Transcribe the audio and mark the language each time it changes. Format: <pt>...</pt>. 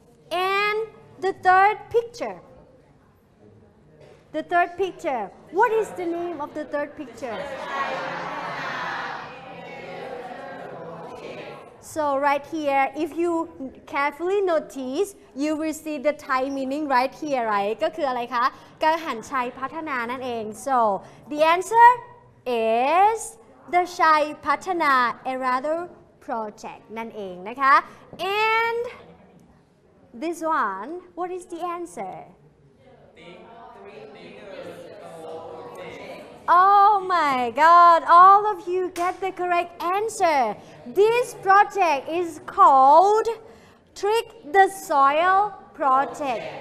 <en>And the third picture. The third picture. What is the name of the third picture? So right here, if you carefully notice, you will see the Thai meaning right here, right?</en> <th>ก็คืออะไรคะ กังหันชัยพัฒนานั่นเอง</th> <en>So the answer is the Chai Pathana Erado Project</en> <th>นั่นเองนะคะ</th> <en>And this one, what is the answer? Oh my god, all of you get the correct answer. This project is called Trick the Soil Project.</en>